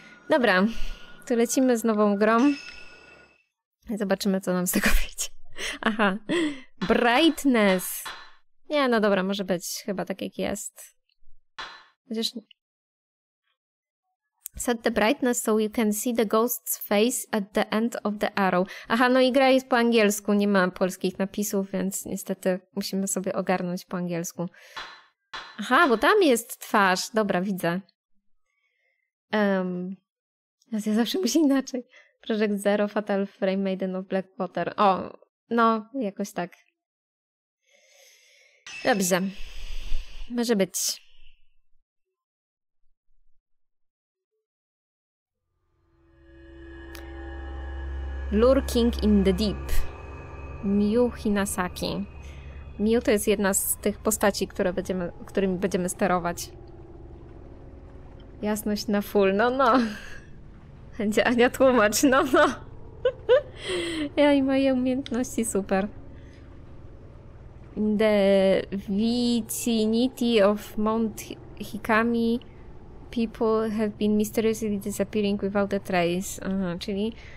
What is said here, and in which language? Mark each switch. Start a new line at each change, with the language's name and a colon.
Polish: Dobra, to lecimy z nową grą. Zobaczymy, co nam z tego wyjdzie. Aha, Brightness. Nie, no dobra, może być chyba tak, jak jest. Chociaż...
English: Set the brightness so you can see the ghost's face at the end of the arrow.
Polish: Aha, no i gra jest po angielsku, nie ma polskich napisów, więc niestety musimy sobie ogarnąć po angielsku. Aha, bo tam jest twarz. Dobra, widzę. Ja zawsze muszę inaczej. Project Zero, Fatal Frame, Maiden of Blackwater. O, no, jakoś tak. Dobrze. Może być.
English: Lurking in the Deep. Miu Hinasaki.
Polish: Miu to jest jedna z tych postaci, którymi będziemy sterować. Jasność na full. No. Będzie Ania tłumacz, no. Ja i moje umiejętności, super.
English: In the vicinity of Mount Hikami, people have been mysteriously disappearing without a trace.
Polish: Aha, czyli